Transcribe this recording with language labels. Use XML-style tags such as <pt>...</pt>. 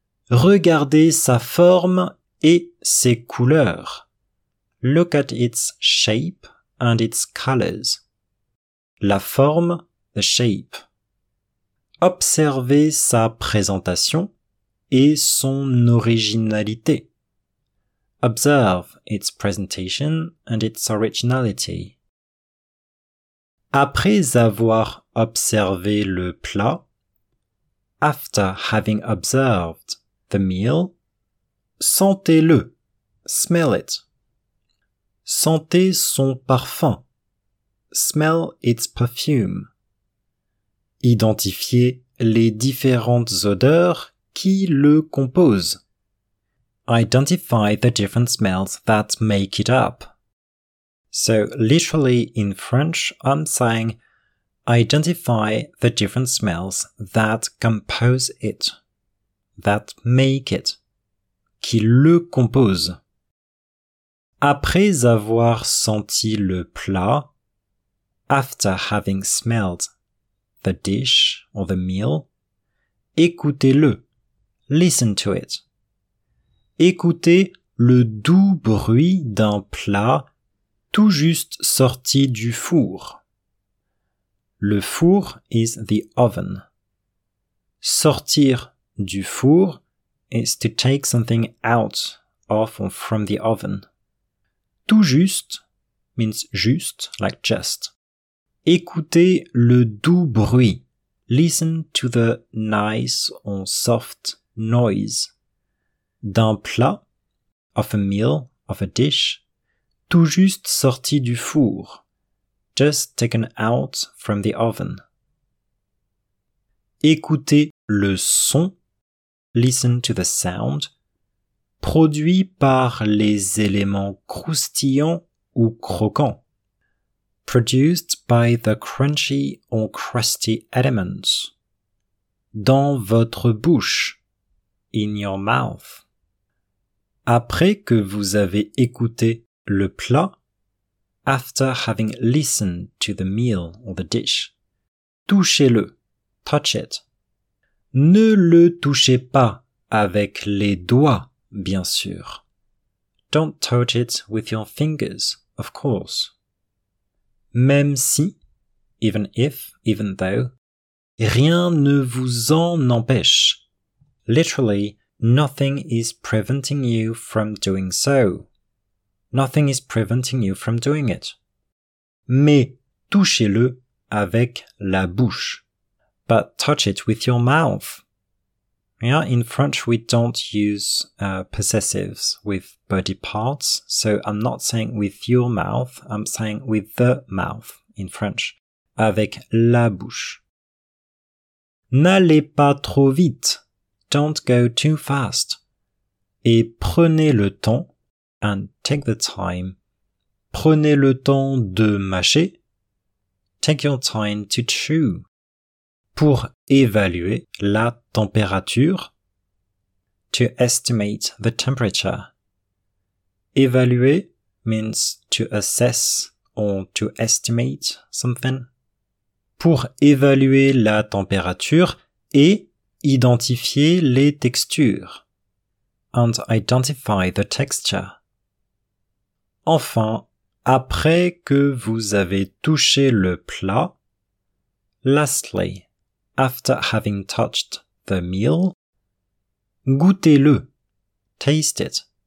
<fr>Regardez sa forme et ses couleurs.</fr> <en>Look at its shape and its colors.</en> <fr>La forme,</fr> <en>the shape.</en> <fr>Observez sa présentation et son originalité.</fr> <en>Observe its presentation and its originality.</en> <fr>Après avoir observé le plat,</fr> <en>after having observed the meal,</en> <fr>sentez-le,</fr> <en>smell it.</en> <fr>Sentez son parfum.</fr> <en>Smell its perfume.</en> <fr>Identifiez les différentes odeurs qui le composent.</fr> <en>Identify the different smells that make it up. So, literally in French, I'm saying, identify the different smells that compose it, that make it,</en> <fr>qui le compose. Après avoir senti le plat,</fr> <en>after having smelled the dish or the meal,</en> <fr>écoutez-le,</fr> <en>listen to it.</en> <fr>Écoutez le doux bruit d'un plat tout juste sorti du four.</fr> <en>Le four is the oven.</en> <fr>Sortir du four</fr> <en>is to take something out of or from the oven.</en> <fr>Tout juste</fr> <en>means just, like just.</en> <fr>Écoutez le doux bruit.</fr> <en>Listen to the nice or soft noise.</en> <fr>D'un plat,</fr> <en>of a meal, of a dish,</en> <fr>tout juste sorti du four,</fr> <en>just taken out from the oven.</en> <fr>Écoutez le son,</fr> <en>listen to the sound,</en> <fr>produit par les éléments croustillants ou croquants.</fr> <en>Produced by the crunchy or crusty elements.</en> <fr>Dans votre bouche,</fr> <en>in your mouth.</en> <fr>Après que vous avez écouté le plat,</fr> <en>after having listened to the meal or the dish,</en> <fr>touchez-le,</fr> <en>touch it.</en> <fr>Ne le touchez pas avec les doigts, bien sûr.</fr> <en>Don't touch it with your fingers, of course.</en> <fr>Même si,</fr> <en>even if, even though,</en> <fr>rien ne vous en empêche.</fr> <en>Literally, nothing is preventing you from doing so. Nothing is preventing you from doing it.</en> <fr>Mais touchez-le avec la bouche.</fr> <en>But touch it with your mouth. Yeah, in French, we don't use possessives with body parts. So I'm not saying with your mouth. I'm saying with the mouth in French.</en> <fr>Avec la bouche. N'allez pas trop vite.</fr> <en>Don't go too fast.</en> <fr>Et prenez le temps,</fr> <en>and take the time.</en> <fr>Prenez le temps de mâcher.</fr> <en>Take your time to chew.</en> <fr>Pour évaluer la température.</fr> <en>To estimate the temperature. Évaluer means to assess or to estimate something.</en> <fr>Pour évaluer la température et identifier les textures.</fr> <en>And identify the texture.</en> <fr>Enfin, après que vous avez touché le plat,</fr> <en>lastly, after having touched the meal,</en> <fr>goûtez-le,</fr> <en>taste it.</en>